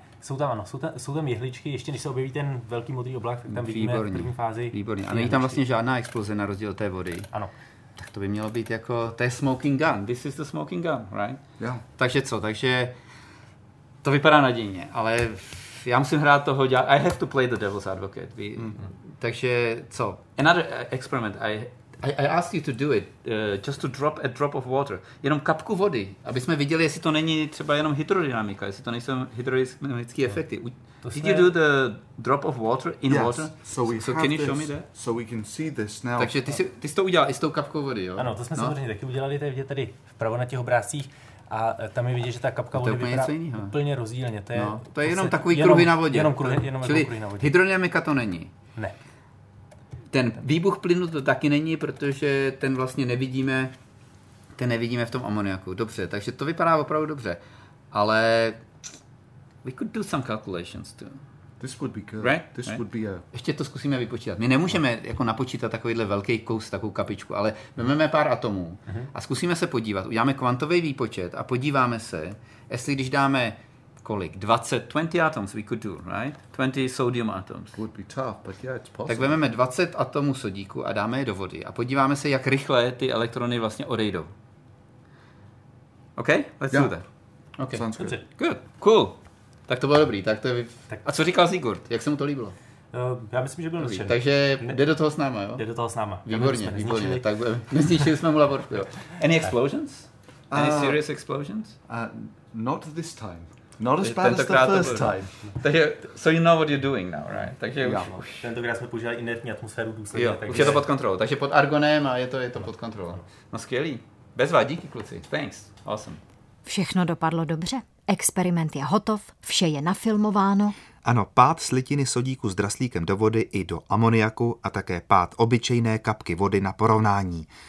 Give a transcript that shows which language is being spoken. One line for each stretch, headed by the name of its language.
Czech: Jsou tam, ano, jsou tam jehličky, ještě než se objeví ten velký modrý oblak, tak tam vidíme výborný, v první fázi. Výborně. A není tam vlastně žádná exploze na rozdíl té vody. Ano. Tak to by mělo být jako, to je smoking gun,
English: this is the smoking gun, right?
Czech: Jo. Takže co, takže to vypadá nadějně, ale já musím hrát toho dělat,
English: I have to play the devil's advocate.
Czech: Takže co,
English: another experiment, I asked you to do it, just to drop a drop of water.
Czech: Jenom kapku vody, aby jsme viděli, jestli to není třeba jenom hydrodynamika, jestli to nejsou hydrodynamické efekty.
English: Did you do the drop of water in water? So can you this. Show me that? So we can see this now.
Czech: Takže ty jsi to udělal i s tou kapkou vody, jo? Ano, to jsme samozřejmě taky udělali, to je vidět tady vpravo na těch obrázcích. A tam je vidět, že ta kapka vody vypadá úplně rozdílně. To je jenom takový kruhy na vodě. Jenom kruhy na vodě. Hydrodynamika to není. Ne. Ten výbuch plynu to taky není, protože ten vlastně nevidíme v tom amoniaku. Dobře, takže to vypadá opravdu dobře. Ale
English: we could do some calculations too. This would be good. Right? This right? would be a...
Czech: Ještě to zkusíme vypočítat. My nemůžeme jako napočítat takovýhle velký kus, takovou kapičku, ale vezmeme pár atomů a zkusíme se podívat. Uděláme kvantový výpočet a podíváme se, jestli když dáme kolik?
English: 20 atoms we could do, right? 20 sodium atoms. Would be tough, but yeah, it's possible.
Czech: Tak vezmeme 20 atomů sodíku a dáme je do vody a podíváme se, jak rychle ty elektrony vlastně odejdou.
English: OK? Let's do that. Okay. Sounds good. Good. Cool.
Czech: Tak to bylo dobrý. Tak to je... A co říkal Sigurd? Jak se mu to líbilo? Já myslím, že byl dobrý. Takže jde do toho s náma, jo? Jde do toho s náma. Výborně. Tak nezničili jsme mu laboratoř.
English: Any explosions? Any serious explosions? Not this time. Not as bad as the first time. So you know what you're doing now, right?
Czech: Takže už. Tentokrát jsme používali inertní atmosféru důsledně. Jo, takže... už je to pod kontrolou. Takže pod argonem a je to pod kontrolou. No skvělý. Bezva, díky kluci.
English: Thanks. Awesome.
Czech: Všechno dopadlo dobře. Experiment je hotov, vše je nafilmováno. Ano, pád slitiny sodíku s draslíkem do vody i do amoniaku a také pád obyčejné kapky vody na porovnání.